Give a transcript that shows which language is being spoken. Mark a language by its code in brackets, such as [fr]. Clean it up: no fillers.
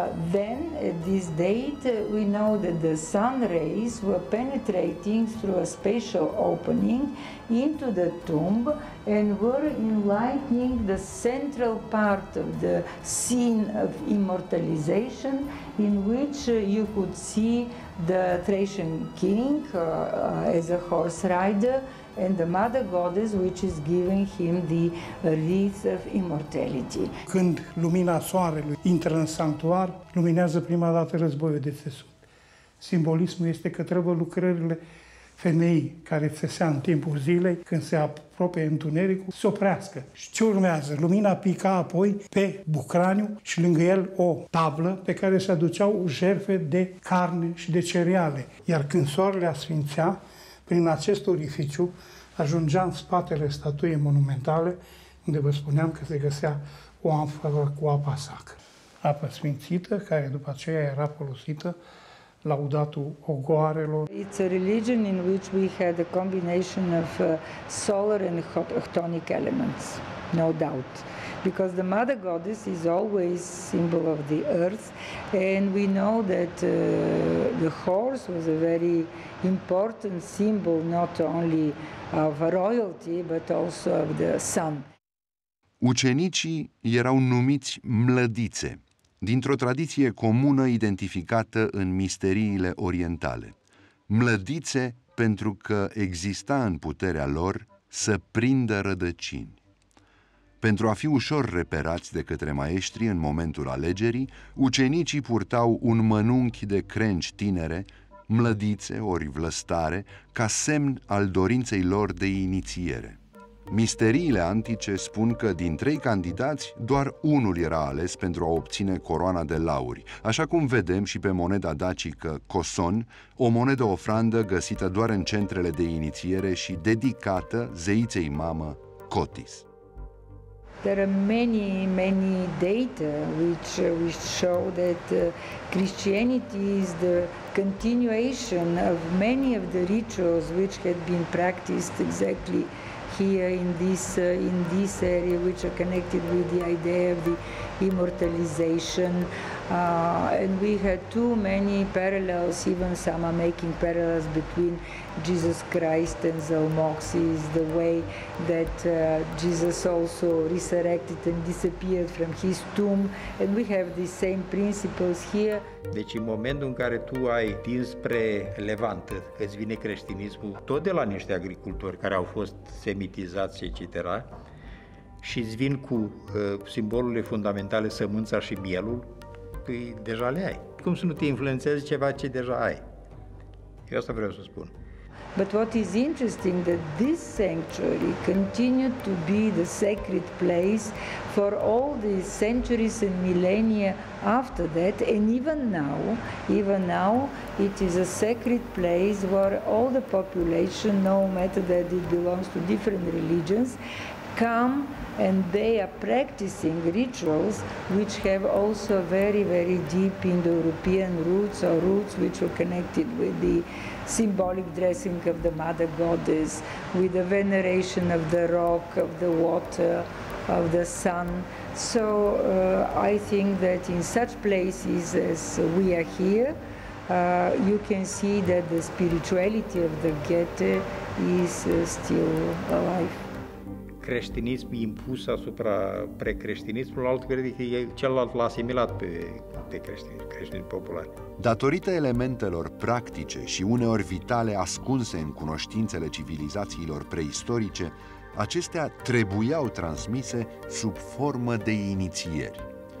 [en] Then, at this date, we know that the sun rays were penetrating through a special opening into the tomb and were enlightening the central part of the scene of immortalization, in which you could see the Thracian king as a horse rider and the mother goddess, which is giving him the wreath of immortality. [ro] Când lumina soarelui intră în sanctuar, luminează prima dată războiul de țesut. Simbolismul este că trebuie lucrările femeii care țesea în timpul zilei, când se apropie întunericul, să oprească. Și ce urmează? Lumina pica apoi pe bucraniu și lângă el o tablă pe care se aduceau jertfe de carne și de cereale. Iar când soarele asfințea, prin acest orificiu ajungeam în spatele statuiei monumentale, unde vă spuneam că se găsea o amforă cu apa sacră. Apă sfințită, care după aceea era folosită laudatul ogoarelor. [en] It's a religion in which we had a combination of solar and tonic elements, no doubt. Because the mother goddess is always symbol of the earth, and we know that the horse was a very important symbol not only of royalty, but also of the sun. [ro] Ucenicii erau numiți mlădițe, dintr-o tradiție comună identificată în misteriile orientale. Mlădițe pentru că exista în puterea lor să prindă rădăcini. Pentru a fi ușor reperați de către maestri în momentul alegerii, ucenicii purtau un mănunchi de crengi tinere, mlădițe ori vlăstare, ca semn al dorinței lor de inițiere. Misteriile antice spun că din trei candidați, doar unul era ales pentru a obține coroana de lauri, așa cum vedem și pe moneda dacică Coson, o monedă ofrandă găsită doar în centrele de inițiere și dedicată zeiței mamă Cotis. [en] There are many, many data which show that Christianity is the continuation of many of the rituals which had been practiced exactly here in this area, which are connected with the idea of the immortalization. And we had too many parallels, even some are making parallels between Jesus Christ and Zalmoxis, the way that Jesus also resurrected and disappeared from his tomb. And we have the same principles here. [ro] Deci în momentul în care tu ai tins spre Levant, îți vine creștinismul tot de la niște agricultori care au fost semitizați, etc., și îți vin cu simbolurile fundamentale, sămânța și mielul, tu deja le ai. Cum să nu te influențezi ceva ce deja ai? Eu asta vreau să spun. [en] But what is interesting that this sanctuary continued to be the sacred place for all the centuries and millennia after that, and even now, it is a sacred place where all the population, no matter that it belongs to different religions, come and they are practicing rituals which have also very, very deep Indo-European roots or roots which were connected with the symbolic dressing of the mother goddess, with the veneration of the rock, of the water, of the sun. So I think that in such places as we are here, you can see that the spirituality of the Ghete is still alive. [ro] Creștinism impus asupra precreștinismului, altfel de că celălalt l-a asimilat pe creștinism popular. Datorită elementelor practice și uneori vitale ascunse în cunoștințele civilizațiilor preistorice, acestea trebuiau transmise sub formă de inițieri.